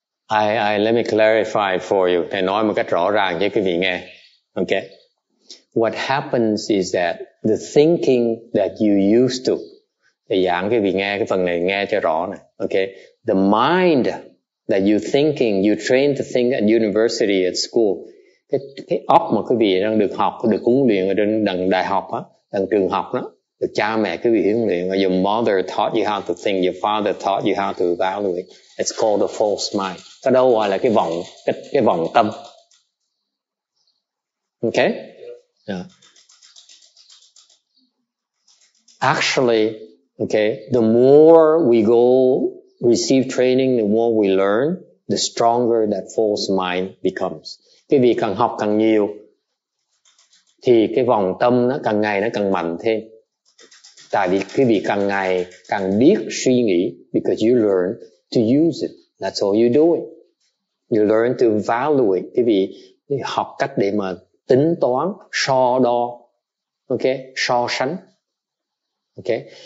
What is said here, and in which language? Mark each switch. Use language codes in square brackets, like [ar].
[en] I let me clarify for you. [vi] Thầy nói một cách rõ ràng cho quý vị nghe. [en] Okay. What happens is that the thinking that you used to. [vi] Thầy giảng quý vị nghe cái phần này nghe cho rõ này. [en] Okay. The mind that you thinking, you train to think at university, at school. [vi] Cái óc mà quý vị đang được học, được huấn luyện ở trên đại học á, đằng trường học đó, được cha mẹ quý vị huấn luyện. [en] Your mother taught you how to think. Your father taught you how to evaluate. It's called a false mind. [vi] Cái đó gọi là cái vọng tâm. [en] Okay? Yeah. Actually, okay, the more we go receive training, the more we learn, the stronger that false mind becomes. [vi] Cái vị càng học càng nhiều, thì cái vọng tâm nó càng ngày nó càng mạnh thêm. Tại vì cái vị càng ngày càng biết suy nghĩ, [en] because you learn to use it. That's all you're doing. You learn to evaluate. [vi] Quý vị học cách để mà tính toán, so đo. Okay? So sánh. Okay?